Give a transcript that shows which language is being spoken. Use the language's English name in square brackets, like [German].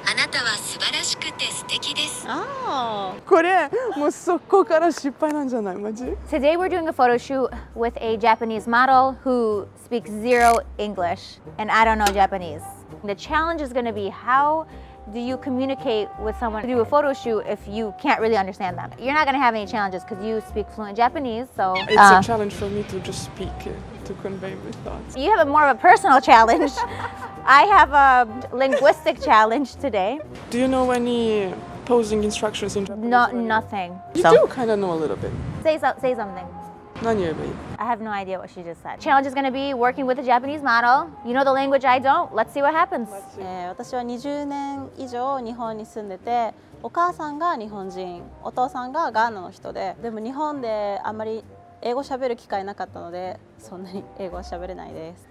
[Japanese] たは素晴らしくて素敵です。ああ。これもう速攻から失敗なんじゃないマジ [English] ？Today we're doing a photo shoot with a Japanese model who speaks zero English and I don't know Japanese. The challenge is going to be how. Do you communicate with someone to do a photo shoot if you can't really understand them? You're not going to have any challenges because you speak fluent Japanese, so... It's a challenge for me to just speak, to convey my thoughts. You have a more of a personal challenge. I have a linguistic challenge today. Do you know any posing instructions in Japanese? No, nothing. You do kind of know a little bit. Say something. [Japanese] 何やべ? [English] I have no idea what she just said. Challenge is going to be working with a Japanese model. You know the language I don't. Let's see what happens. [Japanese] 私は20年以上日本に住んでて、お母さんが日本人、お父さんがガーナの人で、でも日本であまり英語喋る機会なかったので、そんなに英語は喋れないです。